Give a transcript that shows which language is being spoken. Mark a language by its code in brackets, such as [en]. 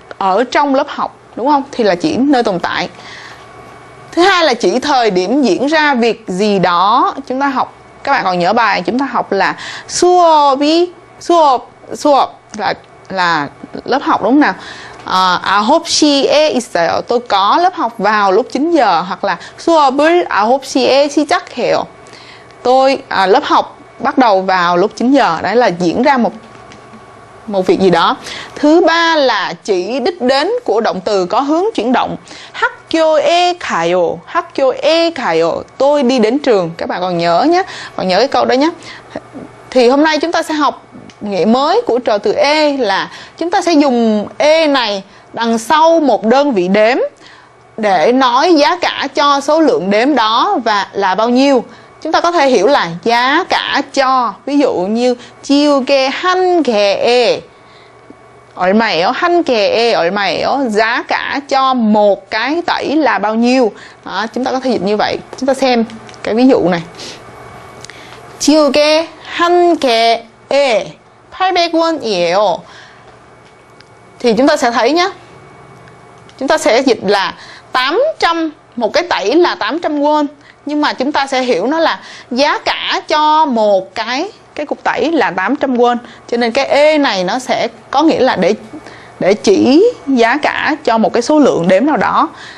[vi] Ở trong lớp học, đúng không? Thì là chỉ nơi tồn tại. Thứ hai là chỉ thời điểm diễn ra việc gì đó. Chúng ta học, các bạn còn nhớ bài chúng ta học là 수업이, 수업, 수업 là lớp học đúng không nào? [ko] 아홉시에 있어요. [vi] Tôi có lớp học vào lúc 9 giờ. Hoặc là [ko] 수업을 아홉시에 시작해요. [vi] Tôi, lớp học bắt đầu vào lúc 9 giờ. Đấy là diễn ra một việc gì đó. Thứ ba là chỉ đích đến của động từ có hướng chuyển động. [ko] 학교에 가요. 학교에 가요. [vi] Tôi đi đến trường. Các bạn còn nhớ nhé. Còn nhớ cái câu đó nhé. Thì hôm nay chúng ta sẽ học nghĩa mới của trợ từ e là chúng ta sẽ dùng e này đằng sau một đơn vị đếm để nói giá cả cho số lượng đếm đó và là bao nhiêu. Chúng ta có thể hiểu là giá cả cho, ví dụ như [ko] 지우개 한 개에 얼마예요? 한 개에 얼마예요? [vi] Giá cả cho một cái tẩy là bao nhiêu. Đó, chúng ta có thể dịch như vậy. Chúng ta xem cái ví dụ này. [ko] 지우개 한 개에 800원이에요. [vi] Thì chúng ta sẽ thấy nhé, chúng ta sẽ dịch là 800, một cái tẩy là 800 won. Nhưng mà chúng ta sẽ hiểu nó là giá cả cho một cái cục tẩy là 800 won. Cho nên cái e này nó sẽ có nghĩa là để chỉ giá cả cho một cái số lượng đếm nào đó.